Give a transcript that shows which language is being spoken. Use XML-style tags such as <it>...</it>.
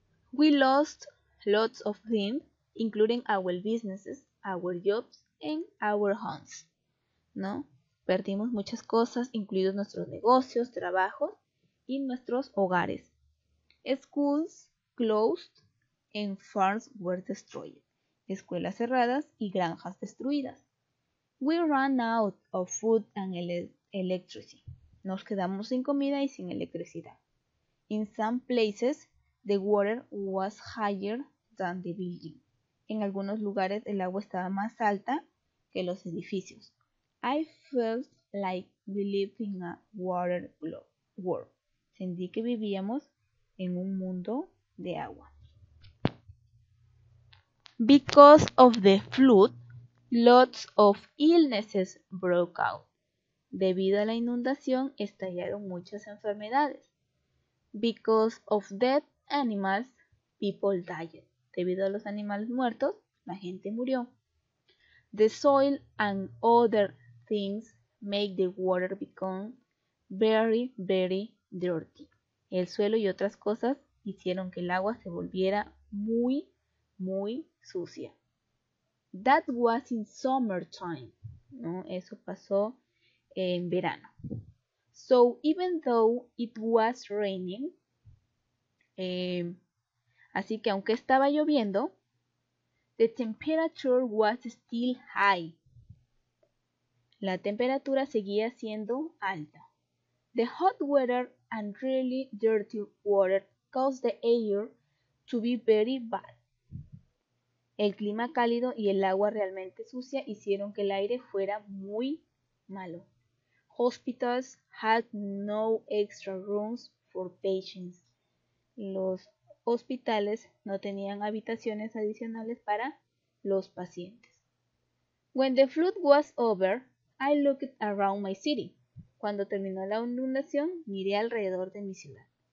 <en>We lost lots of things, including our businesses, our jobs, and our homes.</en> <es>¿No? Perdimos muchas cosas, incluidos nuestros negocios, trabajos y nuestros hogares.</es> <en>Schools closed and farms were destroyed.</en> <es>Escuelas cerradas y granjas destruidas.</es> <en>We ran out of food and electricity.</en> <es>Nos quedamos sin comida y sin electricidad.</es> <en>In some places, the water was higher than the building.</en> <es>En algunos lugares, el agua estaba más alta que los edificios.</es> <en>I felt like we lived in a water world.</en> <es>Sentí que vivíamos en un mundo de agua.</es> <en>Because of the flood, lots of illnesses broke out.</en> <es>Debido a la inundación, estallaron muchas enfermedades.</es> <en>Because of dead animals, people died.</en> <es>Debido a los animales muertos, la gente murió.</es> <en>The soil and other things make the water become very, very dirty.</en> <es>El suelo y otras cosas hicieron que el agua se volviera muy, muy sucia.</es> <en>That was in summertime.</en> <es>¿No? Eso pasó en verano.</es> <en>So even though it was raining,</en> <es>así que aunque estaba lloviendo,</es> <en>the temperature was still high.</en> <es>La temperatura seguía siendo alta.</es> <en>The hot weather and really dirty water caused the air to be very bad.</en> <es>El clima cálido y el agua realmente sucia hicieron que el aire fuera muy malo.</es> <en>Hospitals had no extra rooms for patients.</en> <es>Los hospitales no tenían habitaciones adicionales para los pacientes.</es> <en>When the flood was over, I looked around my city.</en> <es>Cuando terminó la inundación, miré alrededor de mi ciudad.</es>